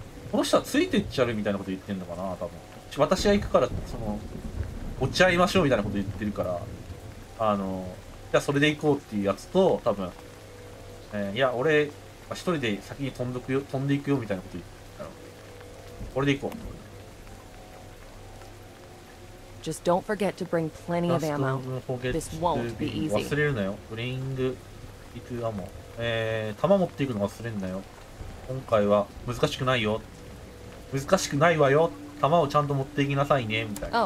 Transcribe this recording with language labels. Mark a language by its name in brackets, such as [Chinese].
[Japanese] この人はついてっちゃうみたいなこと言ってんのかな多分。私が行くから、落ち合いましょうみたいなこと言ってるから、じゃあそれで行こうっていうやつと、多分、いや、俺、一人で先に飛んでいくよみたいなこと言ってたの。これで行こう。 [English] Just don't forget to bring plenty of ammo. This won't be easy. [Japanese] 忘れるなよ。 [English] Bring it ammo. [Japanese] 弾持っていくの忘れんなよ。今回は難しくないよ。難しくないわよ。弾をちゃんと持っていきなさいね。みたいな。